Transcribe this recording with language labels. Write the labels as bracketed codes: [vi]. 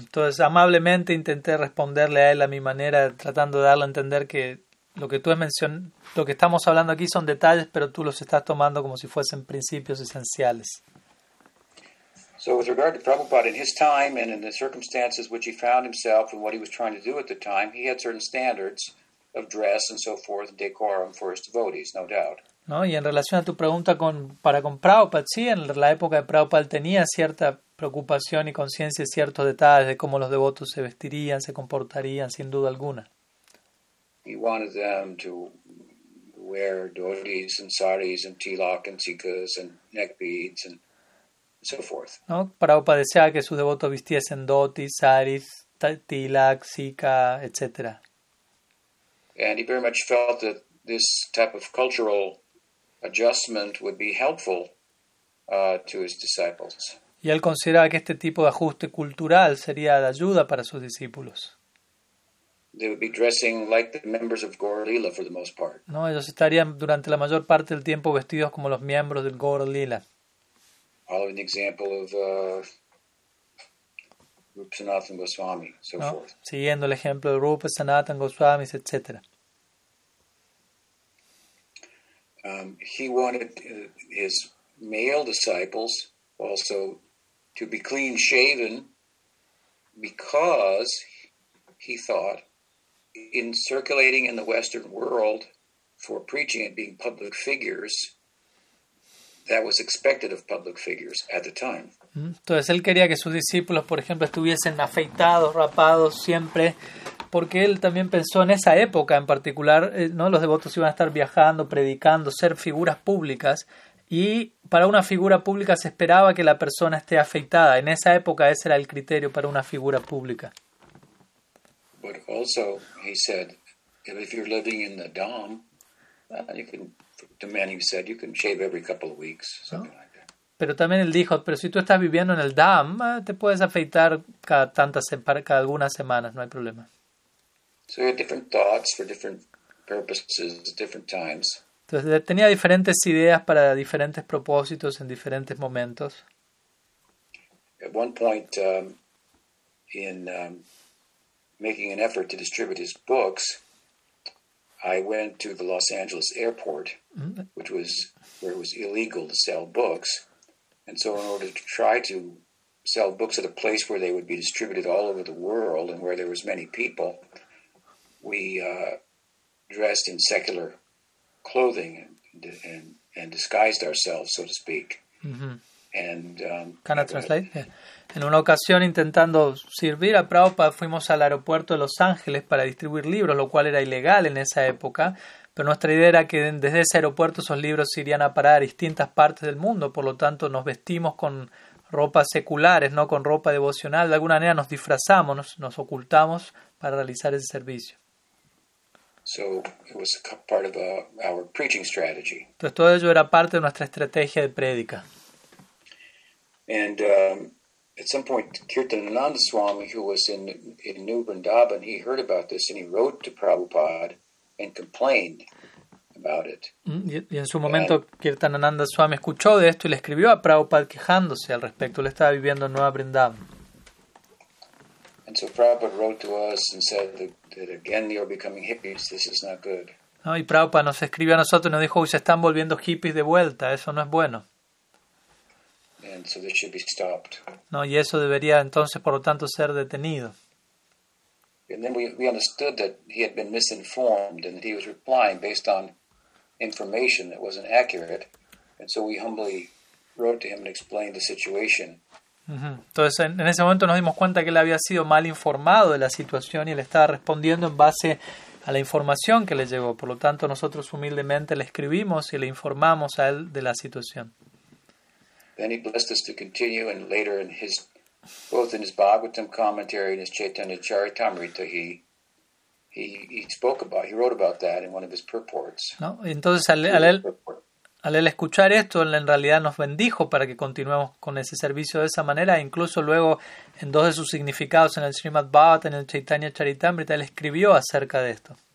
[es] Entonces, amablemente intenté responderle a él a mi manera, tratando de darle a entender que lo que estamos hablando aquí son detalles, pero tú los estás tomando como si fuesen principios esenciales. [en] So with regard to Prabhupada, in his time and in the circumstances which he found himself and what he was trying to do at the time, he had certain standards of dress and so forth, decorum for his devotees, no doubt. [es] ¿No? Y en relación a tu pregunta con Prabhupada, sí, en la época de Prabhupada él tenía cierta preocupación y conciencia de ciertos detalles de cómo los devotos se vestirían, se comportarían, sin duda alguna. [en] He wanted them to wear dhotis and saris and tilak and sikas and neck beads and so forth. [es] ¿No? Prabhupada deseaba que sus devotos vistiesen dhotis, saris, tilak, sika, etc. [en] And he very much felt that this type of cultural adjustment would be helpful to his disciples. [es] Y él consideraba que este tipo de ajuste cultural sería de ayuda para sus discípulos. [en] They would be dressing like the members of Gaura Lila for the most part. [es] No, ellos estarían durante la mayor parte del tiempo vestidos como los miembros del Gaura Lila. [en] Following the example of Rupa Sanatan Goswami, so [es] no, [en] forth. [es] Siguiendo el ejemplo de Rupa Sanatan Goswami, etc. [en] He wanted his male disciples also to be clean-shaven because, he thought, in circulating in the Western world for preaching and being public figures, that was expected of public figures at the time. [es] Entonces, él quería que sus discípulos, por ejemplo, estuviesen afeitados, rapados, siempre, porque él también pensó en esa época en particular, ¿no? Los devotos iban a estar viajando, predicando, ser figuras públicas, Y para una figura pública se esperaba que la persona esté afeitada. En esa época ese era el criterio para una figura pública. [en] But also, he said, if you're living in the dom, you can, the man who said, you can shave every couple of weeks, something like that. [es] Pero también él dijo, pero si tú estás viviendo en el dam, te puedes afeitar cada algunas semanas, no hay problema. [en] So he had different thoughts for different purposes, different times. [es] Entonces tenía diferentes ideas para diferentes propósitos en diferentes momentos. [en] At one point, in making an effort to distribute his books, I went to the Los Angeles airport, which was where it was illegal to sell books. And so in order to try to sell books at a place where they would be distributed all over the world and where there was many people, we dressed in secular clothing and disguised ourselves, so to speak. Mm-hmm. And can I translate? Yeah. [es] En una ocasión intentando servir a Prabhupada, fuimos al aeropuerto de Los Ángeles para distribuir libros, lo cual era ilegal en esa época. Pero nuestra idea era que desde ese aeropuerto esos libros se irían a parar a distintas partes del mundo. Por lo tanto, nos vestimos con ropas seculares, no con ropa devocional. De alguna manera nos disfrazamos, nos ocultamos para realizar ese servicio. [en] So, it was part of our preaching strategy. [es] Entonces, todo ello era parte de nuestra estrategia de prédica. [en] And at some point, Kirtanananda Swami, who was in New Vrindavan, he heard about this and he wrote to Prabhupada. And complained about it. [es] Y en su momento, Kirtanananda Swami escuchó de esto y le escribió a Prabhupada quejándose al respecto. Él estaba viviendo en Nueva Vrindavan. [en] And so Prabhupada wrote to us and said that again you're becoming hippies. This is not good. [es] No, y Prabhupada nos escribió a nosotros y nos dijo: se están volviendo hippies de vuelta. Eso no es bueno. [en] And so this should be stopped. [es] No, y eso debería entonces, por lo tanto, ser detenido. [en] And then we understood that he had been misinformed and that he was replying based on information that wasn't accurate. And so we humbly wrote to him and explained the situation. Mm-hmm. [es] Entonces, en ese momento nos dimos cuenta que él había sido mal informado de la situación y él estaba respondiendo en base a la información que le llegó. Por lo tanto, nosotros humildemente le escribimos y le informamos a él de la situación. [en] Then he blessed us to continue, and later in his both in his Bhagavatam commentary and his Chaitanya Charitamrita, he wrote about that in one of his purports. [es] No, entonces al él escuchar esto, él en realidad nos bendijo para que continuemos con ese servicio de esa manera. Incluso luego, en dos de sus significados, en el Srimad Bhagavatam y en el Chaitanya Charitamrita, él escribió acerca de esto.